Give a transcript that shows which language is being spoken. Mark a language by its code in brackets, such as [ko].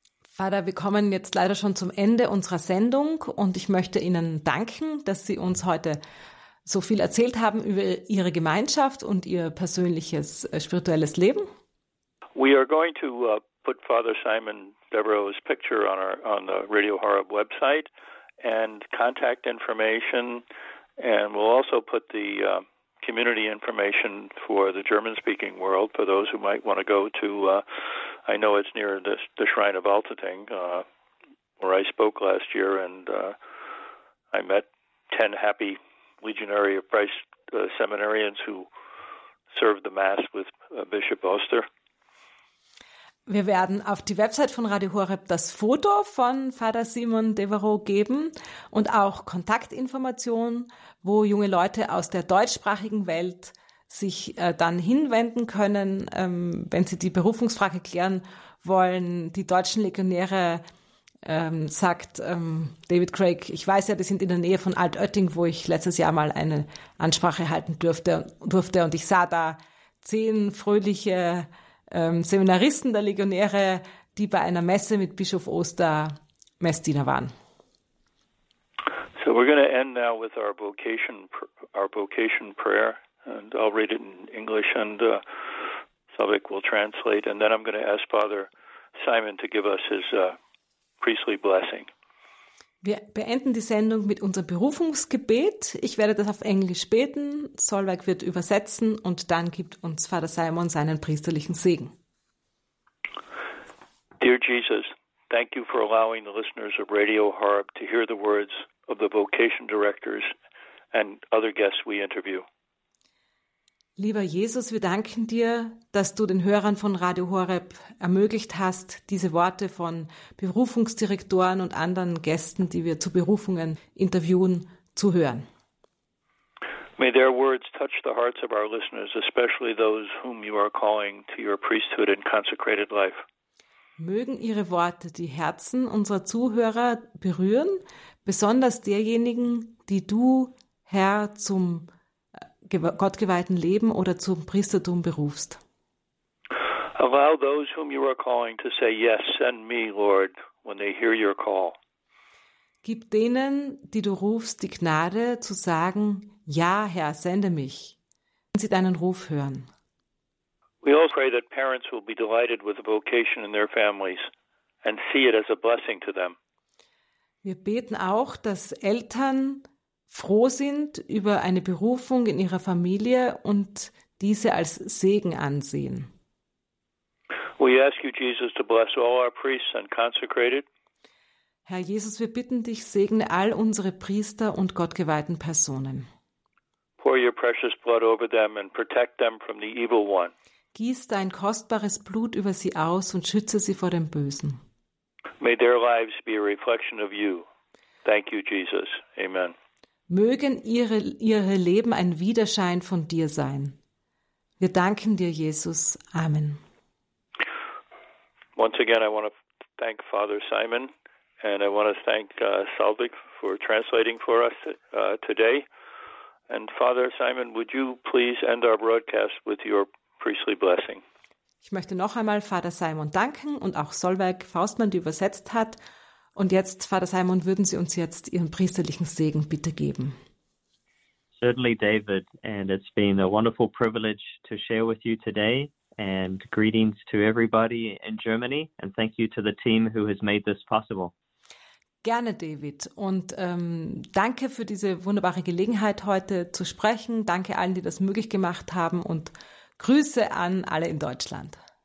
[de] Vater, wir kommen jetzt leider schon zum Ende unserer Sendung und ich möchte Ihnen danken, dass Sie uns heute so viel erzählt haben über Ihre Gemeinschaft und Ihr persönliches spirituelles Leben. [en] We are going to put Father Simon Devereaux's picture on the Radio Horeb website and contact information, and we'll also put the community information for the German-speaking world for those who might want to go to I know it's near the Shrine of Altötting, where I spoke last year, and I met 10 happy Legionary of Christ seminarians who served the Mass with Bishop Oster. [de] Wir werden auf die Website von Radio Horeb das Foto von Vater Simon Devereaux geben und auch Kontaktinformationen, wo junge Leute aus der deutschsprachigen Welt sich dann hinwenden können, wenn sie die Berufungsfrage klären wollen. Die deutschen Legionäre, sagt David Craig, ich weiß ja, die sind in der Nähe von Altötting, wo ich letztes Jahr mal eine Ansprache halten durfte und ich sah da 10 fröhliche Seminaristen der Legionäre, die bei einer Messe mit Bischof Oster Messdiener waren. [en] So we're going to end now with our vocation prayer. And I'll read it in English, and Sobek will translate. And then I'm going to ask Father Simon to give us his priestly blessing. [de] Wir beenden die Sendung mit unserem Berufungsgebet. Ich werde das auf Englisch beten. Solveig wird übersetzen, und dann gibt uns Father Simon seinen priesterlichen Segen. [en] Dear Jesus, thank you for allowing the listeners of Radio Horeb to hear the words of the vocation directors and other guests we interview. [de] Lieber Jesus, wir danken dir, dass du den Hörern von Radio Horeb ermöglicht hast, diese Worte von Berufungsdirektoren und anderen Gästen, die wir zu Berufungen interviewen, zu hören. [en] May their words touch the hearts of our listeners, especially those whom you are calling to your priesthood and consecrated life. [de] Mögen Ihre Worte die Herzen unserer Zuhörer berühren, besonders derjenigen, die du, Herr, zum gottgeweihten Leben oder zum Priestertum berufst. [en] Allow those whom you are calling to say, yes, send me, Lord, when they hear your call. [de] Gib denen, die du rufst, die Gnade zu sagen, ja, Herr, sende mich, wenn sie deinen Ruf hören. [en] We all pray that parents will be delighted with the vocation in their families and see it as a blessing to them. [de] Wir beten auch, dass Eltern froh sind über eine Berufung in ihrer Familie und diese als Segen ansehen. [en] We ask you, Jesus, to bless all our priests and consecrated. [de] Herr Jesus, wir bitten dich, segne all unsere Priester und gottgeweihten Personen. [en] Pour your precious blood over them and protect them from the evil one. [de] Gieß dein kostbares Blut über sie aus und schütze sie vor dem Bösen. [en] May their lives be a reflection of you. Thank you, Jesus. Amen. [de] Mögen ihre Leben ein Widerschein von dir sein. Wir danken dir, Jesus. Amen. [en] Once again, I want to thank Father Simon and I want to thank Salvik for translating for us today. And Father Simon, would you please end our broadcast with your priestly blessing. [de] Ich möchte noch einmal Vater Simon danken und auch Solveig Faustmann, die übersetzt hat. Und jetzt, Vater Simon, würden Sie uns jetzt Ihren priesterlichen Segen bitte geben. [en] Certainly, David, and it's been a wonderful privilege to share with you today. And greetings to everybody in Germany and thank you to the team who has made this possible. [de] Gerne, David. Und danke für diese wunderbare Gelegenheit, heute zu sprechen. Danke allen, die das möglich gemacht haben und Grüße an alle in Deutschland.